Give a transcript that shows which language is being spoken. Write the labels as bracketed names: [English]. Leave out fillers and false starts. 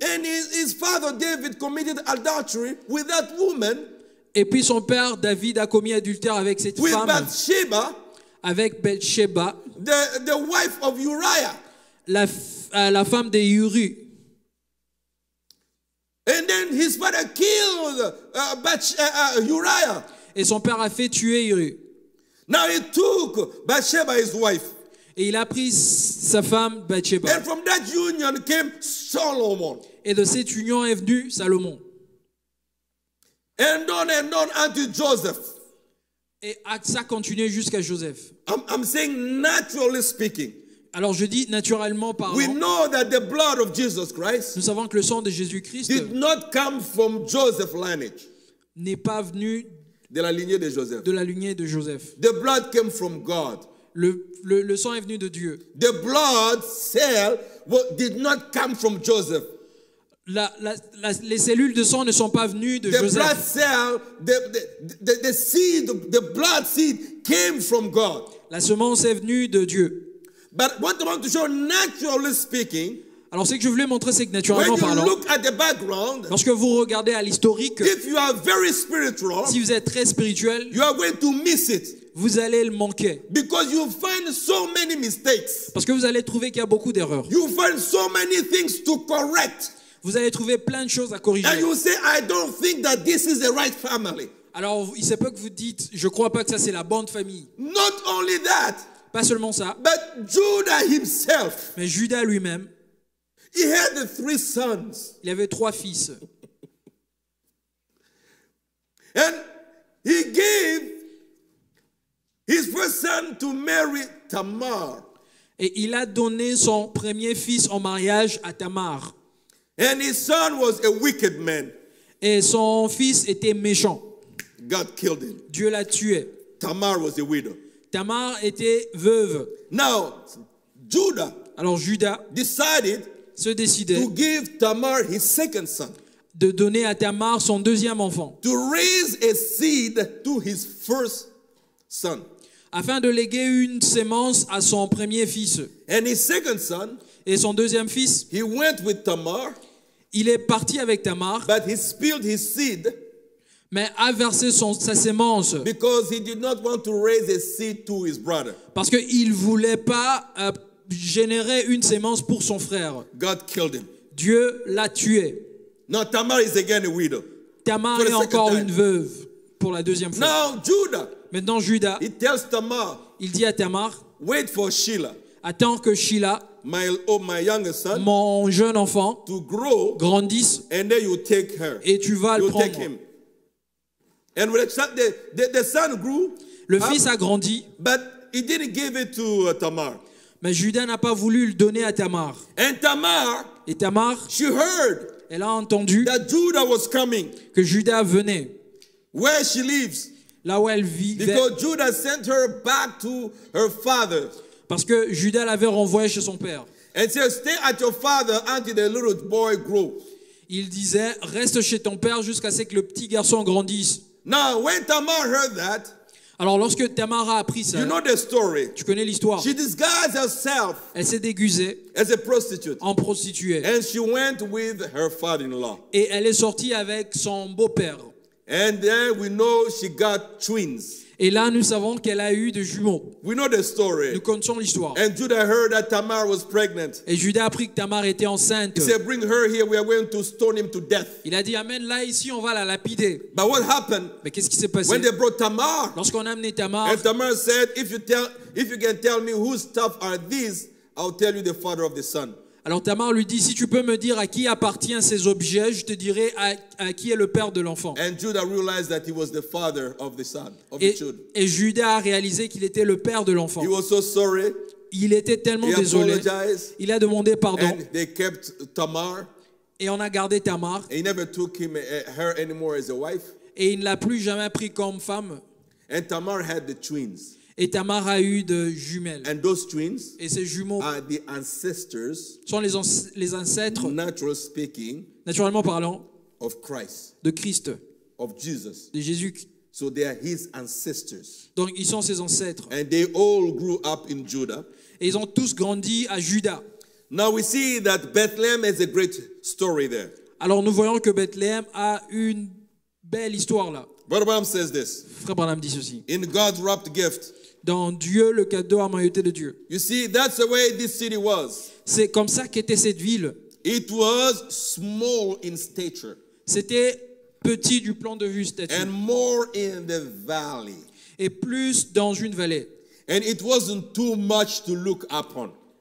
[English] And his father David committed adultery with that woman. [French] Et puis son père David a commis adultère avec cette [English] with [French] femme. [English] With Bathsheba. [French] Avec Bathsheba. [English] The wife of Uriah. [French] La femme de Uri. [English] And then his father killed Uriah. [French] Et son père a fait tuer Uri. [English] Now he took Bathsheba his wife. [French] Et il a pris sa femme Bathsheba. [English] And from that union came Solomon. [French] Et de cette union est venu Salomon. [English] And on until Joseph. [French] Et ça continue jusqu'à Joseph. [English] I'm saying naturally speaking. [French] Alors je dis naturellement parlant. [English] We know that the blood of Jesus Christ. [French] Nous savons que le sang de Jésus-Christ [English] did not come from Joseph's lineage. [French] N'est pas venu de la lignée de Joseph. De la lignée de Joseph. [English] The blood came from God. [French] Le sang est venu de Dieu. [English] The blood cell did not come from Joseph. [French] Les cellules de sang ne sont pas venues de Joseph. [English] The blood cell, the blood seed came from God. [French] La semence est venue de Dieu. [English] But what I want to show, naturally speaking. [French] Alors ce que je voulais montrer, c'est que naturellement parlant, [English] look at the background, [French] lorsque vous regardez à l'historique, [English] if you are very spiritual, [French] si vous êtes très spirituel, [English] you are going to miss it. [French] Vous allez le manquer. [English] Because you find so many mistakes. [French] Parce que vous allez trouver qu'il y a beaucoup d'erreurs. [English] You find so many things to correct. [French] Vous allez trouver plein de choses à corriger. [English] And you say, I don't think that this is the right family. [French] Alors il se peut que vous dites, je crois pas que ça c'est la bonne famille. [English] Not only that, [French] pas seulement ça. [English] But Judah himself. [French] Mais Judas lui-même. [English] He had three sons. [French] Il avait trois fils. [English] And he gave his first son to marry Tamar. [French] Et il a donné son premier fils en mariage à Tamar. [English] And his son was a wicked man. [French] Et son fils était méchant. [English] God killed him. [French] Dieu l'a tué. [English] Tamar was a widow. [French] Tamar était veuve. [English] Now, Judah. [French] Alors Judas [English] decided. [French] Se décidait [English] to give Tamar his second son. [French] De donner à Tamar son deuxième enfant. [English] To raise a seed to his first son. [French] Afin de léguer une semence à son premier fils. [English] And his second son. [French] Et son deuxième fils. [English] He went with Tamar. [French] Il est parti avec Tamar. [English] But he spilled his seed. [French] Mais a versé sa semence. [English] Because he did not want to raise a seed to his brother. [French] Parce que il voulait pas générer une semence pour son frère. [English] God killed him. [French] Dieu l'a tué. [English] Now Tamar is again a widow. [French] Tamar est encore une veuve pour la deuxième fois. [English] Now Judah. [French] Maintenant Judas. [English] He tells Tamar. [French] Il dit à Tamar. [English] Wait for Shelah. [French] Attends que Shelah. [English] My youngest son. [French] Mon jeune enfant. [English] To grow. [French] Grandisse. [English] And then you take her. [French] Et tu vas [English] you [French] le prendre. [English] Take him. And when the son grew. [French] Le fils a grandi. [English] But he didn't give it to Tamar. [French] Mais Judas n'a pas voulu le donner à Tamar. [English] And Tamar, [French] et Tamar, [English] she heard, [French] elle a entendu [English] that Judah was coming, [French] que Judas venait. [English] Where she lives, [French] là où elle vit. [English] Because Judah sent her back to her father. [French] Parce que Judas l'avait renvoyé chez son père. [English] And said, "Stay at your father until the little boy grows." [French] Il disait, reste chez ton père jusqu'à ce que le petit garçon grandisse. [English] Now, when Tamar heard that, [French] alors lorsque Tamar a appris ça, [English] you know the story. [French] Tu connais l'histoire. [English] She disguised herself. [French] Elle s'est déguisée [English] as a prostitute. [French] En prostituée. [English] And she went with her father-in-law. [French] Et elle est sortie avec son beau-père. [English] And then we know she got twins. [French] Et là nous savons qu'elle a eu des jumeaux. [English] We know the story. [French] Nous connaissons l'histoire. [English] And Judah heard that Tamar was pregnant. [French] Et Judas a appris que Tamar était enceinte. [English] He said, "Bring her here. We are going to stone him to death." [French] Il a dit, amène-la ici, on va la lapider. [English] But what happened? [French] Mais qu'est-ce qui s'est passé? [English] When they brought Tamar. [French] Lorsqu'on a amené Tamar. [English] And Tamar said, "If you can tell me whose stuff are these, I'll tell you the father of the son." [French] Alors Tamar lui dit, si tu peux me dire à qui appartiennent ces objets, je te dirai à qui est le père de l'enfant. Et Judas a réalisé qu'il était le père de l'enfant. [English] He was so sorry. [French] Il était tellement [English] he [French] désolé. [English] Apologized. [French] Il a demandé pardon. [English] And they kept Tamar. [French] Et on a gardé Tamar. [English] And he never took him, her anymore as a wife. [French] Et il ne l'a plus jamais pris comme femme. [English] And Tamar had the twins. [French] Et Tamar a eu de jumelles. [English] And those twins [French] et ces jumeaux [English] are the ancestors, [French] sont les ancêtres, [English] natural speaking, [French] naturellement parlant, [English] of Christ, [French] de Christ, [English] of Jesus. [French] De Jésus. [English] So they are his ancestors. [French] Donc ils sont ses ancêtres. [English] And they all grew up in Judah. [French] Et ils ont tous grandi à Juda. [English] Now we see that Bethlehem is a great story there. [French] Alors nous voyons que Bethlehem a une belle histoire là. [English] Brother Branham says this. [French] Frère Branham dit ceci. [English] In God's wrapped gift. [French] Dans Dieu, le cadeau à mailloté de Dieu. [English] You see, that's the way this city was. [French] C'est comme ça qu'était cette ville. [English] It was small in stature. [French] C'était petit du plan de vue statue. [English] And more in the valley. [French] Et plus dans une vallée. [English] And it wasn't too much to look upon.